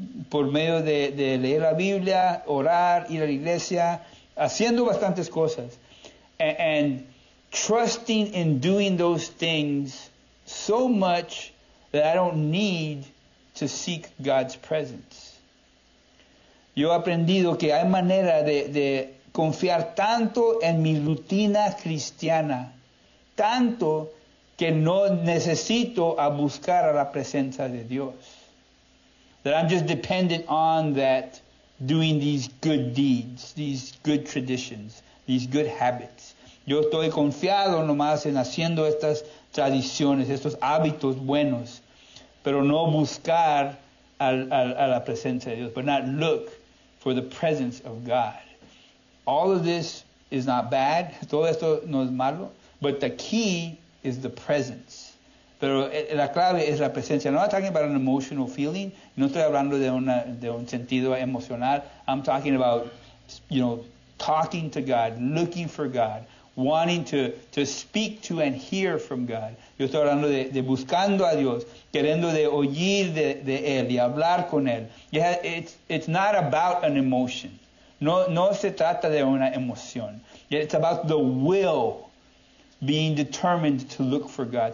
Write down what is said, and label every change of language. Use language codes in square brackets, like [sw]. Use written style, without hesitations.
[es] Por medio de leer la Biblia, orar, ir a la iglesia, haciendo bastantes cosas. [en] And trusting in doing those things so much that I don't need to seek God's presence. [es] Yo he aprendido que hay manera de confiar tanto en mi rutina cristiana, tanto que no necesito a buscar a la presencia de Dios. [en] That I'm just dependent on that doing these good deeds, these good traditions, these good habits. [es] Yo estoy confiado nomás en haciendo estas tradiciones, estos hábitos buenos, pero no buscar a la presencia de Dios. [en] But not look for the presence of God. All of this is not bad. [es] Todo esto no es malo. [en] But the key is the presence. [es] Pero la clave es la presencia. No estoy hablando de un [en] emotional feeling. [es] No estoy hablando de una de un sentido emocional. [en] I'm talking about, you know, talking to God, looking for God, wanting to speak to and hear from God. [es] Yo estoy hablando de buscando a Dios, queriendo de oír de él y hablar con él. [en] Yeah, it's not about an emotion. [es] No se trata de una emoción. [en] It's about the will. Being determined to look for God.